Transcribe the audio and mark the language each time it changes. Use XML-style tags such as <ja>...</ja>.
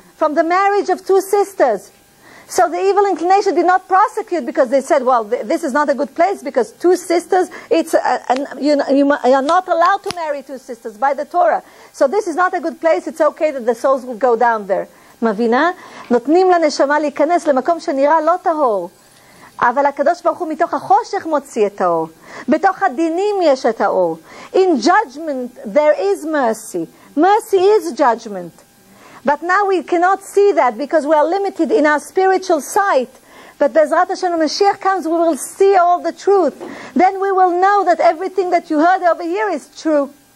<en>From the marriage of two sisters. So the evil inclination did not prosecute because they said, well, this is not a good place because two sisters, you are not allowed to marry two sisters by the Torah. So this is not a good place. It's okay that the souls will go down there.</en> <he>מבינה? נותנים לנשמה להיכנס למקום שנראה לא טהור. אבל הקדוש ברוך הוא מתוך החושך מוציא את האור. בתוך הדינים יש את האור.</he> <en>In judgment, there is mercy. Mercy is judgment. But now we cannot see that because we are limited in our spiritual sight. But Bezrat Hashem, when Mashiach comes, we will see all the truth. Then we will know that everything that you heard over here is true.</en>